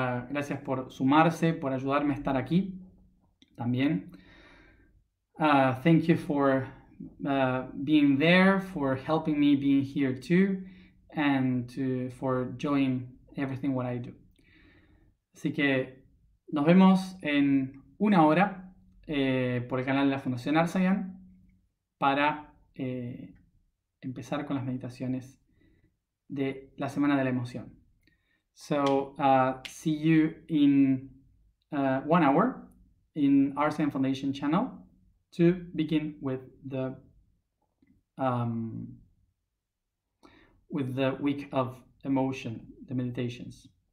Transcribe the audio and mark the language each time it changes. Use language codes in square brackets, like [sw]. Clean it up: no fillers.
[es] Gracias por sumarse, por ayudarme a estar aquí también. [en] Thank you for being there, for helping me being here too, and to for joining everything what I do. [es] Así que nos vemos en una hora por el canal de la Fundación Arsayan para empezar con las meditaciones de la Semana de la Emoción. [en] So, see you in 1 hour in Arsayan Foundation channel to begin with the week of emotion, the meditations.